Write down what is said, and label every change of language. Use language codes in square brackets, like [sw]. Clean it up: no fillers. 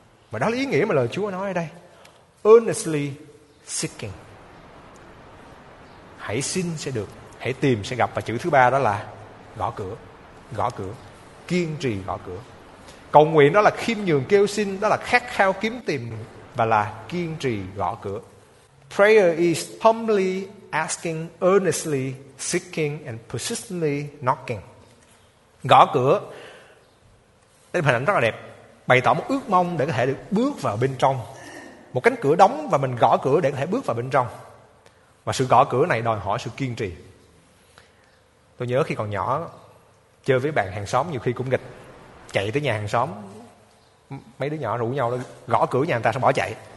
[vi] Và đó là ý nghĩa mà lời Chúa nói ở đây. [en] Earnestly seeking. [vi] Hãy xin sẽ được, hãy tìm sẽ gặp. Và chữ thứ ba đó là gõ cửa. Gõ cửa, kiên trì gõ cửa. Cầu nguyện đó là khiêm nhường kêu xin, đó là khát khao kiếm tìm, và là kiên trì gõ cửa. [en] Prayer is humbly asking, earnestly seeking and persistently knocking. [vi] Gõ cửa. Đây là hình ảnh rất là đẹp, bày tỏ một ước mong để có thể được bước vào bên trong. Một cánh cửa đóng và mình gõ cửa để có thể bước vào bên trong. Và sự gõ cửa này đòi hỏi sự kiên trì. Tôi nhớ khi còn nhỏ, chơi với bạn hàng xóm nhiều khi cũng nghịch, chạy tới nhà hàng xóm, mấy đứa nhỏ rủ nhau đó, gõ cửa nhà người ta xong bỏ chạy.